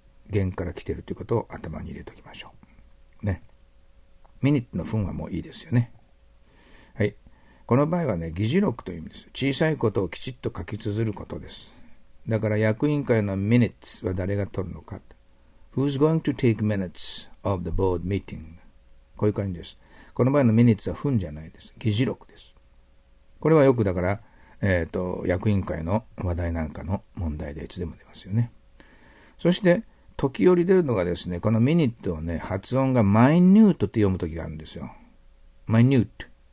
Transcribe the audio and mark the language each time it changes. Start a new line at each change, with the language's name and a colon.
Japanese: 弦から来ているということを頭に入れておきましょう。ね。ミニットの分はもういいですよね。はい。この場合はね、議事録という意味です。小さいことをきちっと書き綴ることです。だから役員会のミニッツは誰が取るのか。
English: Who's going to take minutes of the board meeting?
Japanese: こういう感じです。この場合のミニッツは分じゃないです。議事録です。これはよくだから、役員会の話題なんかの問題でいつでも出ますよね。そして、時折出るのがですね、このミニットをね、発音がマイニュートって読むときがあるんですよ。マイニュート。